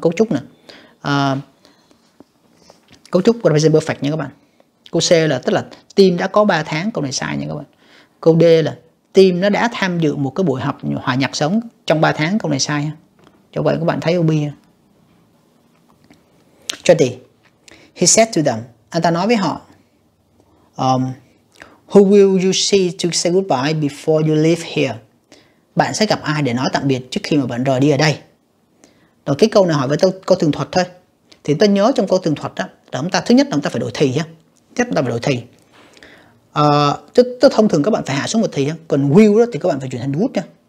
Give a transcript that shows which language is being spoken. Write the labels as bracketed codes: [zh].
[vi] Cấu trúc nè, cấu trúc của present perfect nha các bạn. Câu C là tức là team đã có 3 tháng, câu này sai nha các bạn. Câu D là team nó đã tham dự một cái buổi hòa nhạc sống trong 3 tháng, câu này sai ha. Cho vậy các bạn thấy OB cho đi. [en] He said to them, [vi] anh ta nói với họ, [en] who will you see to say goodbye before you leave here? [vi] Bạn sẽ gặp ai để nói tạm biệt trước khi mà bạn rời đi ở đây? Rồi cái câu này hỏi với tôi câu tường thuật thôi. Thì tôi nhớ trong câu tường thuật đó, là chúng ta thứ nhất là chúng ta phải đổi thì nhé. Tiếp chúng ta phải đổi thì. Tôi thông thường các bạn phải hạ xuống một thì nhé. Còn will đó thì các bạn phải chuyển thành would nhé.